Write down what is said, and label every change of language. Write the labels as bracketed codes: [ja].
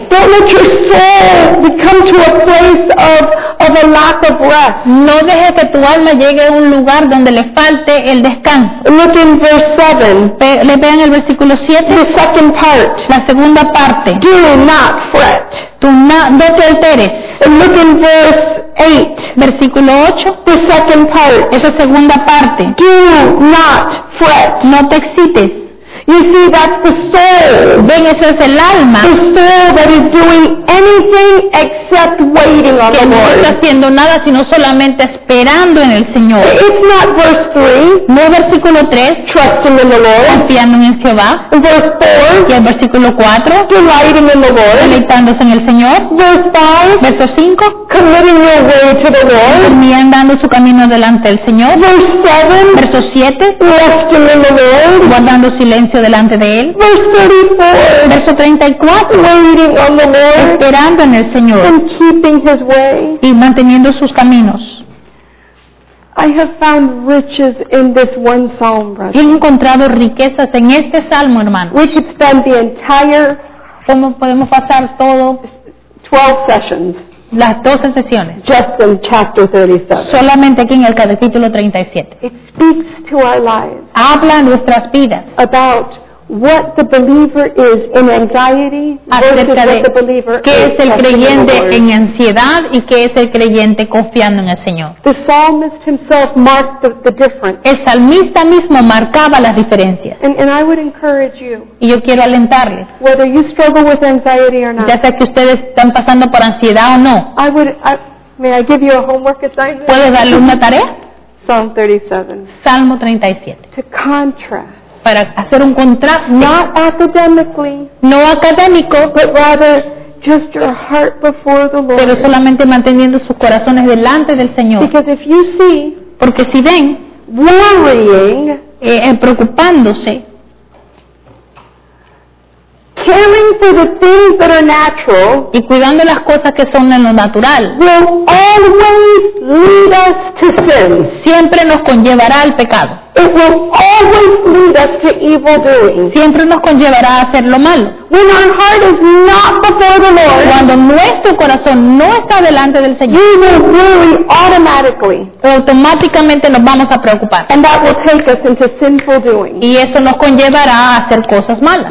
[en] Don't let your soul come to a place of a lack of rest. [es] No dejes que tu alma llegue a un lugar donde le falte el descanso. [en] Look in verse 7. [es] Le vean el versículo 7. [en] The second part. [es] La segunda parte. [en] Do not fret. [es] No te alteres. [en] And look in verse 8. [es] Versículo 8. [en] The second part. [es] Esa segunda parte. [en] Do not fret. [es] No te excites. [en] You see, that's the soul. [es] Ven, eso es el alma. [en] The soul that is doing anything except waiting on the Lord. [es] Que no está haciendo nada, sino solamente esperando en el Señor. [en] It's not verse 3. [es] No, versículo 3. [en] Trusting in the Lord. [es] Confiando en Jehová. [en] Verse 4. [es] Y el versículo 4. [en] Delighting in the Lord. [es] Deleitándose en el Señor. [en] Verse 5. [es] Verso 5. [en] Committing your way to the Lord. [es] Encomendando su camino delante del Señor. [en] Verse 7. [es] Verso 7. [en] Resting in the Lord. [es] Guardando silencio delante de él. [en] Verse 34. [es] Esperando en el Señor. [en] And keeping his way. [es] Y manteniendo sus caminos. [en] I have found riches in this one psalm, brother. [es] He encontrado riquezas en este salmo, hermano. [en] We could spend the entire. [es] ¿Cómo podemos pasar todo? [en] 12 sessions. [es] Las 12 sesiones. [en] Just in chapter 37. [es] Solamente aquí en el capítulo 37. [en] It speaks to our lives. [es] Habla a nuestras vidas. [en] About what the believer is in anxiety versus the believer. [es] ¿Qué es el creyente en ansiedad y qué es el creyente confiando en el Señor? [en] The psalmist himself marked the difference. [es] El salmista mismo marcaba las diferencias. [en] And I would encourage you. [es] Y yo quiero alentarles. [en] Whether you struggle with anxiety or not. [es] Ya sea que ustedes están pasando por ansiedad o no. [en] May I give you a homework assignment? [es] ¿Puedes darle una tarea? [en] Psalm 37. [es] Salmo 37. [en] To contrast. [es] Para hacer un contraste, [en] not academically, [es] no académico, [en] but rather just your heart before the Lord. [es] Pero solamente manteniendo sus corazones delante del Señor. [en] Because if you see, [es] porque si ven, [en] worrying, [es] preocupándose, [en] caring for the things that are natural, [es] y cuidando las cosas que son en lo natural, [en] will always lead us to sin. [es] Siempre nos conllevará al pecado. [en] It will always lead us to evil doing. [es] Siempre nos conllevará a hacer lo malo. [en] When our heart is not before the Lord, [es] cuando nuestro corazón no está delante del Señor, [en] we will worry automatically. [es] Automáticamente nos vamos a preocupar. [en] And that will take us into sinful doing. [es] Y eso nos conllevará a hacer cosas malas.